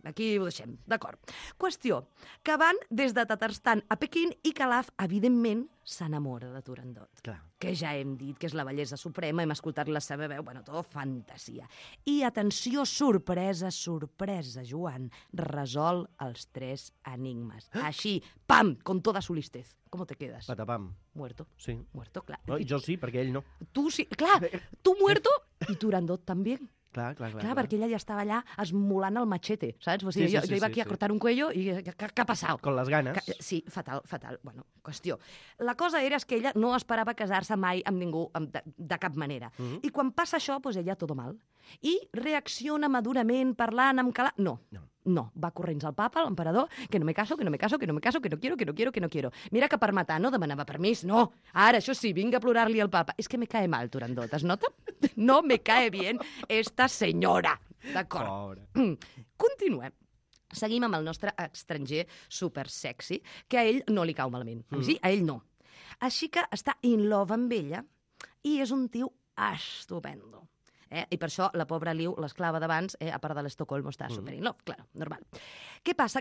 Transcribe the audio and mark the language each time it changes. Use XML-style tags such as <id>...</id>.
<ca>Aquí ho deixem, d'acord. Qüestió, que van des de Tatarstan a Pequín i Calaf, evidentment, s'enamora de Turandot. Clar. Que ja hem dit que és la bellesa suprema, hem escoltat la seva veu, bueno, tot fantasia. I atenció, sorpresa, Joan, resol els tres enigmes. Així, pam,</ca> <es>con toda su listez. ¿Cómo te quedas? Patapam. Muerto. Sí. Muerto, clar.</es> <ca>No, jo sí, perquè ell no. Tu sí, clar, tu muerto i Turandot també. Clar, perquè ella ja estava allà esmolant el machete, saps? O sigui, sí,</ca> <es>jo iba aquí a cortar un cuello</es> <ca>i què ha passat?</ca> <es>Con les ganes.</es> <ca>Sí, fatal. Bueno, qüestió. La cosa era que ella no esperava casar-se mai amb ningú de cap manera. Mm-hmm. I quan passa això,</ca> <es>pues ella todo mal.</es> <ca>I reacciona madurament parlant amb Calaf. No, va corrents al papa, l'emperador,</ca> <es>que no me caso, que no quiero.</es> <ca>Mira que per matar no demanava permís, no. Ara, això sí, vinc a plorar-li al papa. És que</ca> <es>me cae mal,</es> <ca>Turandot, es nota?</ca> <es>No me cae bien esta señora.</es> <ca>D'acord. Pobre. Continuem. Seguim amb el nostre estranger supersexy, que a ell no li cau malament. Mm. Sí, a ell no. Així que està</ca> <en>in love</en> <ca>amb ella i és</ca> <es>un tio estupendo.</es> <ca>I per això la pobra Liu, l'esclava d'abans, a part de l'Estocolmo, està superint. Mm. No, clar, normal. Què passa?</ca>